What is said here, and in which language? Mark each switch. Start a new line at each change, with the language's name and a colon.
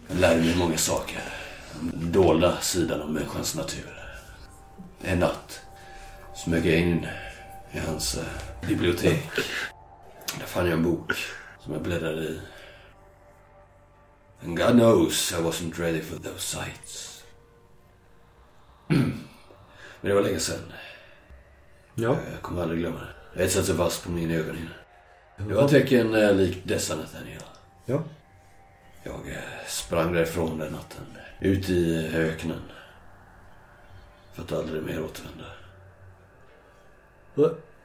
Swedish: Han lärde mig många saker. Den dolda sidan av människans natur. En natt smög jag in i hans bibliotek. Där fann jag en bok som jag bläddrade i.
English: And God knows I wasn't ready for those sights.
Swedish: Men det var länge sedan. Ja. Jag kommer aldrig glömma det. Det satt så fast på min ögon innan. Det var tecken lik dessa, Nathaniel. Ja. Jag sprang därifrån den natten. Ut i öknen. För att aldrig mer återvända.